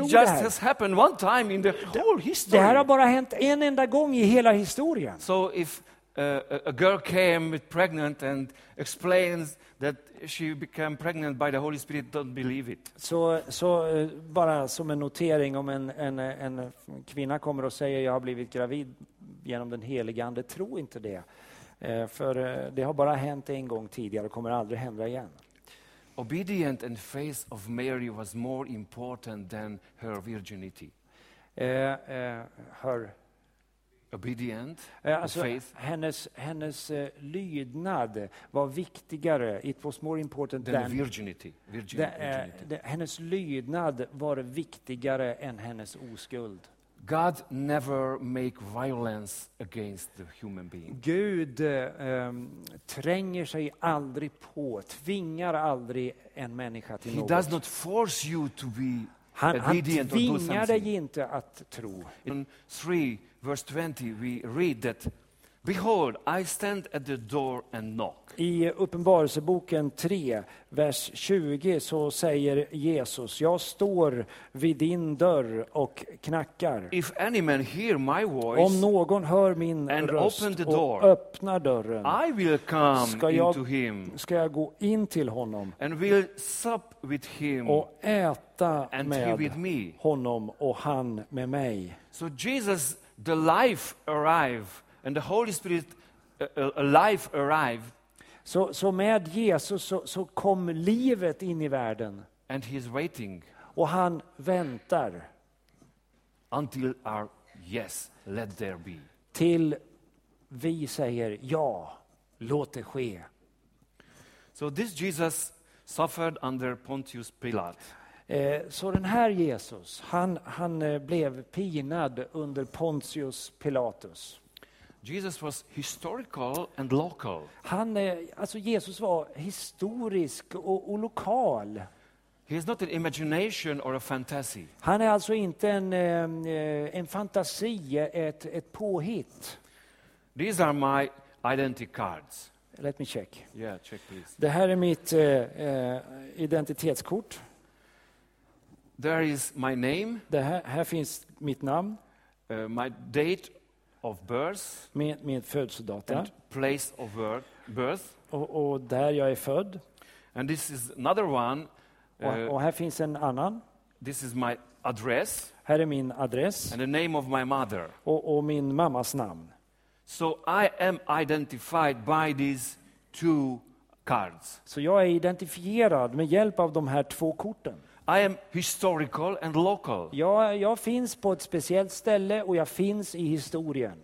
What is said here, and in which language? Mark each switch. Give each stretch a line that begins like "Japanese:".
English: It just has happened one time in the whole history.
Swedish: Det här har bara hänt en enda gång i hela historien.
English: So if a girl came pregnant and explains that she became pregnant by the Holy Spirit, don't believe it.
Swedish: Så bara som en notering, om en kvinna kommer och säger jag har blivit gravid genom den helige ande, tro inte det. För det har bara hänt en gång tidigare och kommer aldrig hända igen.
English: Obedient and faith of Mary was more important than her virginity. Her obedient
Swedish: alltså,
English: faith.
Swedish: Hennes lydnad var viktigare.
English: It was more important than virginity. Virginity.
Swedish: Hennes lydnad var viktigare än hennes oskuld.
English: God never make violence against the human being.
Swedish: Gud tränger sig aldrig på, tvingar aldrig en människa till
English: He
Swedish: något.
English: He does not force you to be obedient or do something.
Swedish: Han tvingar dig inte att tro.
English: In 3 verse 20 we read that behold I stand at the door and knock.
Swedish: I Uppenbarelseboken 3 vers 20 så säger Jesus, jag står vid din dörr och knackar.
English: If any man hear my voice,
Swedish: om någon hör min
English: and
Swedish: röst
English: open the door,
Swedish: och öppnar dörren,
English: I will come into him.
Swedish: Ska jag gå in till honom?
English: And will sup with him.
Swedish: Och äta
English: and
Swedish: med
English: he with me.
Swedish: Honom och han med mig.
English: So Jesus the life arrive and the Holy Spirit life arrive.
Swedish: Så med Jesus så kom livet in i världen.
English: And he is waiting.
Swedish: Och han väntar.
English: Until our yes, let there be.
Swedish: Till vi säger ja, låt det ske.
English: So this Jesus suffered under Pontius Pilate.
Swedish: Så den här Jesus, han blev pinad under Pontius Pilatus.
English: Jesus was historical and local.
Swedish: Han, alltså Jesus var historisk och lokal.
English: He is not an imagination or a fantasy.
Swedish: Han är alltså inte en fantasi, ett påhitt.
English: These are my identity cards. Let me check. Yeah, check please.
Swedish: Det här är mitt identitetskort.
English: There is my name.
Swedish: Här finns mitt namn.
English: My date of birth,
Swedish: med födelsedatum,
English: place of birth,
Swedish: och där jag är född.
English: And this is another one.
Swedish: Och här finns en annan.
English: This is my address.
Swedish: Här är min adress.
English: And the name of my mother.
Swedish: Och min mammas namn.
English: So I am identified by these two cards.
Swedish: Så jag är identifierad med hjälp av de här två korten.
English: I am historical and local.
Swedish: Jag finns på ett speciellt ställe och jag finns i historien.